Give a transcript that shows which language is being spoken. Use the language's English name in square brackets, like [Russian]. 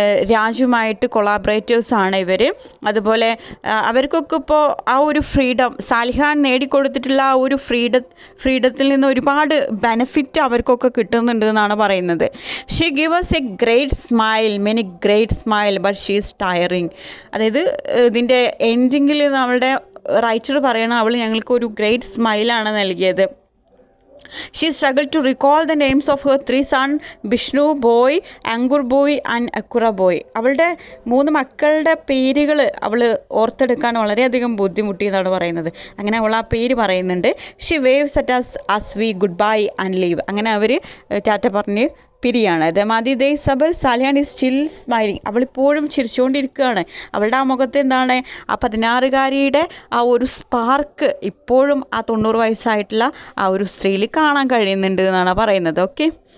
[Malayalam] രാജുമായിട്ട് കൊളാബറേറ്റേഴ്സാണ് ഇവർ. അതുപോലെ അവർക്കൊക്കെ ഇപ്പോൾ ആ ഒരു ഫ്രീഡം, സാലിഹാൻ നേടിക്കൊടുത്തിട്ടുള്ള ആ ഒരു ഫ്രീഡത്തിൽ നിന്ന് ഒരുപാട് ബെനഫിറ്റ് അവർക്കൊക്കെ കിട്ടുന്നുണ്ട് എന്നാണ് പറയുന്നത്. [English] She give us a great smile, many great smile, but she is tiring. [Malayalam] അതായത് ഇതിൻ്റെ എൻഡിങ്ങിൽ നമ്മളുടെ റൈറ്റർ പറയണ, അവൾ ഞങ്ങൾക്ക് ഒരു ഗ്രേറ്റ് സ്മൈലാണ് നൽകിയത്. [English] She struggled to recall the names of her 3 sons, Vishnu boy, Angur boy and Akura boy. [Malayalam] അവളുടെ 3 മക്കളുടെ പേരുകൾ അവൾ ഓർത്തെടുക്കാൻ വളരെയധികം ബുദ്ധിമുട്ടി എന്നാണ് പറയുന്നത്. അങ്ങനെ അവൾ ആ പേര് പറയുന്നുണ്ട്. [English] She waves at us we goodbye and leave. [Malayalam] അങ്ങനെ അവർ ടാറ്റ പറഞ്ഞ് പിരിയാണ്. [English] ദമാദി ദേ സബർ സാലിഹാൻ ഇസ് സ്റ്റിൽ സ്മൈലിംഗ്. [Malayalam] അവളിപ്പോഴും ചിരിച്ചുകൊണ്ടിരിക്കുകയാണ്. അവളുടെ ആ മുഖത്ത് എന്താണ്, ആ 16-കാരിയുടെ ആ ഒരു സ്പാർക്ക് ഇപ്പോഴും ആ 90 വയസ്സായിട്ടുള്ള ആ ഒരു സ്ത്രീയിൽ കാണാൻ കഴിയുന്നുണ്ട് എന്നാണ് പറയുന്നത്. ഓക്കെ,